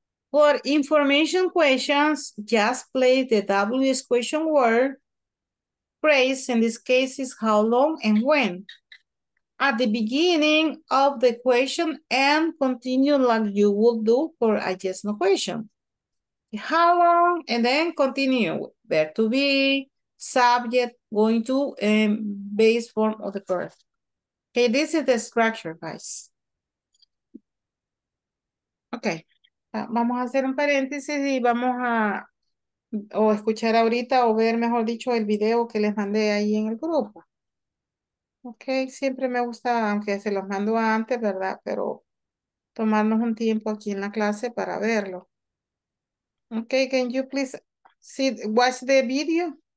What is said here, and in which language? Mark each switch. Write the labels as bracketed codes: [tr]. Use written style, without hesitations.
[en] For information questions, just place the WH question word, phrase, in this case is how long and when, at the beginning of the question and continue like you would do for a yes no question. How long, and then continue. Verb to be, subject, going to, and base form of the verb. Okay, this is the structure, guys. [es] Okay, vamos a hacer un paréntesis y vamos a o escuchar ahorita o ver, mejor dicho, el video que les mandé ahí en el grupo. Okay, siempre me gusta, aunque se los mando antes, ¿verdad? Pero tomarnos un tiempo aquí en la clase para verlo. [en] Okay, can you please see, watch the video?